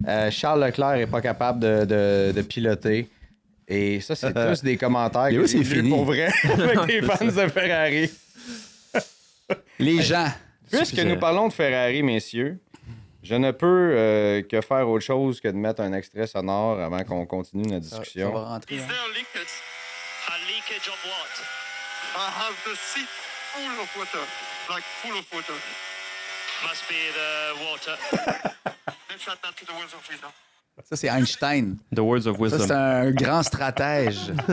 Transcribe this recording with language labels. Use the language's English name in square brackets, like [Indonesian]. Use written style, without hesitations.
[French] Charles Leclerc n'est pas capable de piloter. Et ça, c'est tous des commentaires que c'est fini pour vrai avec les fans de Ferrari. Les gens. Puisque nous parlons de Ferrari, messieurs, je ne peux que faire autre chose que de mettre un extrait sonore avant qu'on continue notre discussion. Ça va rentrer. [English] Hein. Is there a leakage of what? I have the seat full of water, like full of water. Must be the water. Let's add that to the words of wisdom. [French] Ça, c'est Einstein. [English] The words of wisdom. [French] Ça, c'est un grand stratège.